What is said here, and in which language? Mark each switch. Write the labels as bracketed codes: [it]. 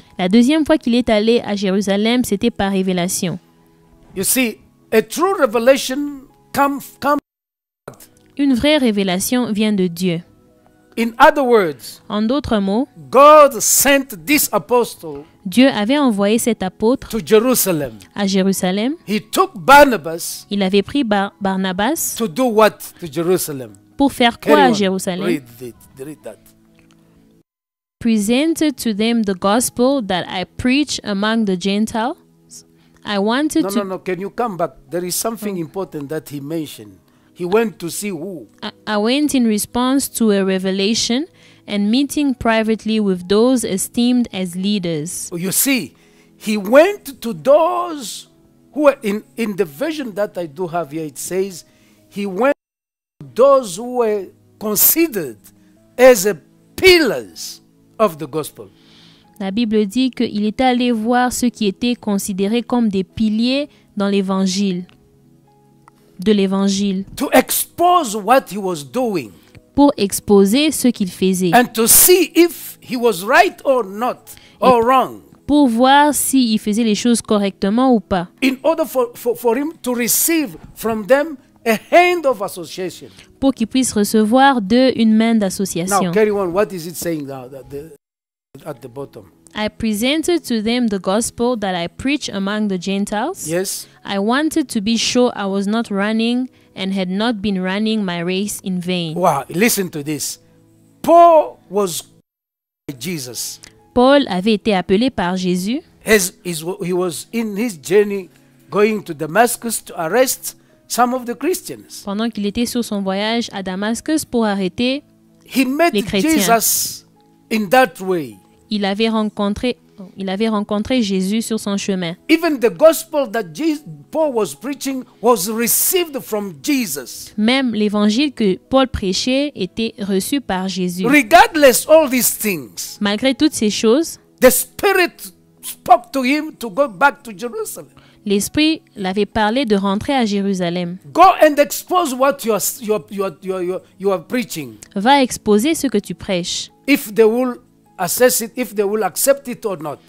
[fr] La deuxième fois qu'il est allé à Jérusalem, c'était par révélation. [en] You see, a true revelation comes from God. [fr] Une vraie révélation vient de Dieu. [en] In other words, [fr] en d'autres mots, [en] God sent this apostle. [fr] Dieu avait envoyé cet apôtre [en] to Jerusalem. [fr] À Jérusalem. [en] He took Barnabas. [fr] Il avait pris Barnabas. [en] To do what to Jerusalem? [fr] Pour faire quoi à Jérusalem? [en] Read that. Presented to them the gospel that I preach among the Gentiles. I wanted no, to. No. Can you come back? There is something important that he mentioned. He went to see who. I went in response to a revelation and meeting privately with those esteemed as leaders. You see, he went to those who were in the vision that I do have here. It says he went. Those who were considered as a pillars of the gospel. [fr] La Bible dit qu'il est allé voir ceux qui étaient considérés comme des piliers dans l'évangile, de l'évangile. [en] To expose what he was doing. [fr] Pour exposer ce qu'il faisait. [en] And to see if he was right or not, or wrong. [fr] Pour voir s'il faisait les choses correctement ou pas. [en] In order for him to receive from them a hand of association. [fr] Pour qu'il puisse recevoir d'eux une main d'association. [en] Now, carry on. What is it saying now at the bottom? I presented to them the gospel that I preach among the Gentiles. Yes. I wanted to be sure I was not running and had not been running my race in vain. Wow, listen to this. Paul was called by Jesus. [fr] Paul avait été appelé par Jésus. [en] He was in his journey going to Damascus to arrest some of the Christians. [fr] Pendant qu'il était sur son voyage à Damascus pour arrêter les chrétiens. [en] He met Jesus in that way. [fr] Il avait rencontré Jésus sur son chemin. [en] Even the gospel that Paul was preaching was received from Jesus. [fr] Même l'évangile que Paul prêchait était reçu par Jésus. [en] Regardless all these things. [fr] Malgré toutes ces choses, [en] the Spirit spoke to him to go back to Jerusalem. [fr] L'Esprit l'avait parlé de rentrer à Jérusalem. [en] Go and expose what you are preaching. [fr] Va exposer ce que tu prêches. [en] If they will assess it, if they will accept it or not.